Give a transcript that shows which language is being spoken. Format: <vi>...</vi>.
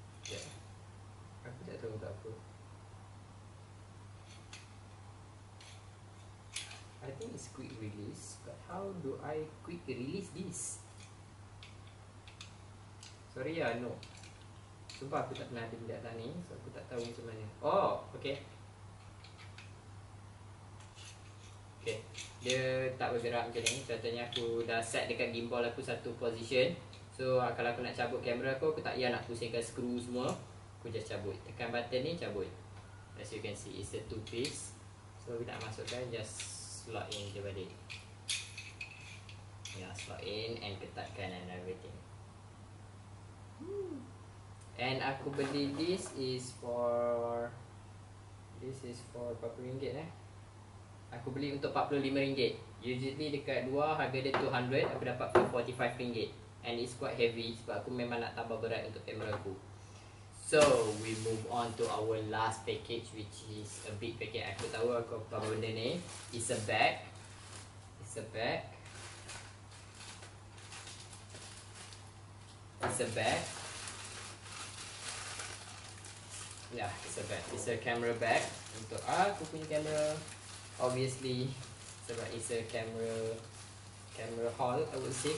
<ms>Sekejap. Aku tak tahu tak apa.</ms> <en>I think it's quick release, but how do I quick release this? Sorry</en> <ms>ya,</ms> <en>no.</en> <ms>Sumpah aku tak pernah ada benda atas ni,</ms> <en>so</en> <ms>aku tak tahu macam mana.</ms> <en>Oh, okay.</en> <ms>Okay, dia tak bergerak macam ni. Contohnya aku dah set dekat gimbal aku satu position. So, kalau aku nak cabut kamera aku tak payah nak pusingkan skru semua. Aku just cabut. Tekan button ni, cabut.</ms> <en>As you can see, it's a two piece.</en> <ms>So, kita masukkan,</ms> <en>just slot in</en> <ms>je balik. Ya,</ms> <en>slot in and</en> <ms>ketatkan</ms> <en>and everything. And</en> <ms>aku beli</ms> <en>this is for, this is for RM40 eh.</en> <ms>Aku beli untuk RM45. Usually dekat luar harga dia RM200, aku dapat</ms> <en>for</en> <ms>RM45.</ms> <en>And it's quite heavy</en> <ms>sebab aku memang nak tambah berat untuk kamera aku.</ms> <en>So, we move on to our last package, which is a big package.</en> <ms>Aku tahu aku apa benda ni.</ms> <en>It's a bag. It's a bag. It's a bag. Yeah, it's a bag. It's a camera bag</en> <ms>untuk aku punya</ms> <en>camera. Obviously,</en> <ms>sebab</ms> <en>it's a camera, camera haul, I would say.</en>